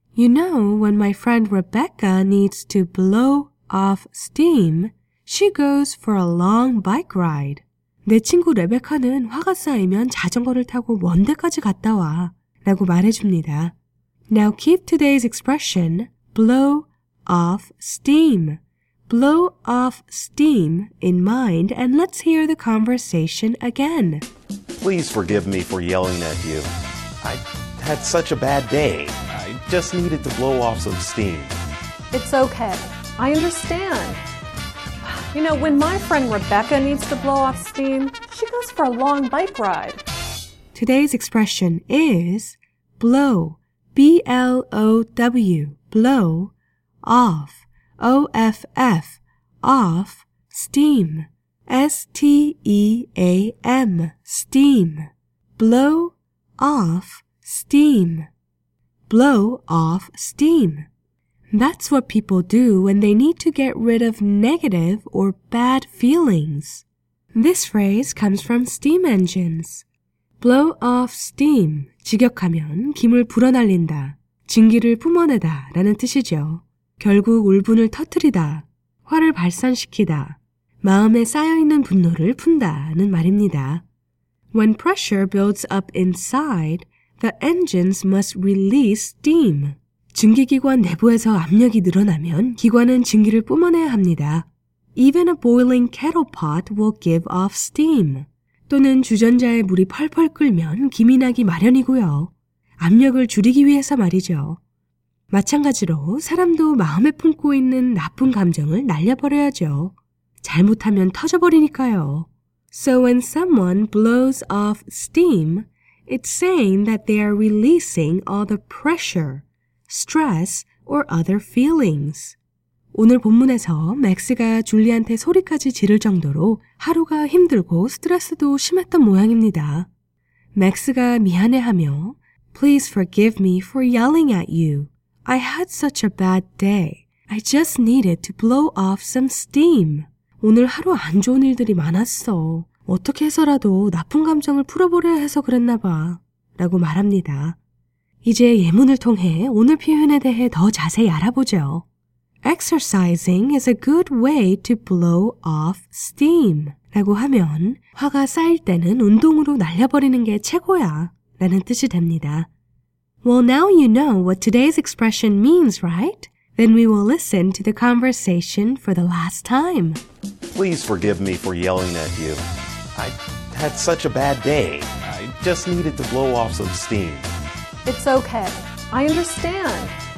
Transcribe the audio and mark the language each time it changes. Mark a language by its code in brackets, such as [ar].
[en] You know, when my friend Rebecca needs to blow off steam, She goes for a long bike ride. [ko] 내 친구 레베카는 화가 쌓이면 자전거를 타고 먼 데까지 갔다 와 라고 말해줍니다. [en] Now keep today's expression, blow off steam. Blow off steam in mind and let's hear the conversation again. Please forgive me for yelling at you. I had such a bad day. I just needed to blow off some steam. It's okay. I understand. You know, when my friend Rebecca needs to blow off steam, she goes for a long bike ride. Today's expression is blow, B-L-O-W, blow, off, O-F-F, off, steam, S-T-E-A-M, steam. Blow off steam. Blow off steam. That's what people do when they need to get rid of negative or bad feelings. This phrase comes from steam engines. Blow off steam. [ko] 직역하면 김을 불어날린다, 증기를 뿜어내다 라는 뜻이죠. 결국 울분을 터뜨리다, 화를 발산시키다, 마음에 쌓여있는 분노를 푼다는 말입니다. [en] When pressure builds up inside, the engines must release steam. [ko] 증기기관 내부에서 압력이 늘어나면 기관은 증기를 뿜어내야 합니다. [en] Even a boiling kettle pot will give off steam. [ko] 또는 주전자에 물이 펄펄 끓면 김이 나기 마련이고요. 압력을 줄이기 위해서 말이죠. 마찬가지로 사람도 마음에 품고 있는 나쁜 감정을 날려버려야죠. 잘못하면 터져버리니까요. [en] So when someone blows off steam, it's saying that they are releasing all the pressure. Stress or other feelings. [ko] 오늘 본문에서 맥스가 줄리한테 소리까지 지를 정도로 하루가 힘들고 스트레스도 심했던 모양입니다. 맥스가 미안해하며 [en] Please forgive me for yelling at you. I had such a bad day. I just needed to blow off some steam. [ko] 오늘 하루 안 좋은 일들이 많았어. 어떻게 해서라도 나쁜 감정을 풀어보려 해서 그랬나 봐. 라고 말합니다. 이제 예문을 통해 오늘 표현에 대해 더 자세히 알아보죠. [en] Exercising is a good way to blow off steam. [ko] 라고 하면 화가 쌓일 때는 운동으로 날려버리는 게 최고야 라는 뜻이 됩니다. [en] Well, now you know what today's expression means, right? Then we will listen to the conversation for the last time. Please forgive me for yelling at you. I had such a bad day. I just needed to blow off some steam. It's okay. I understand.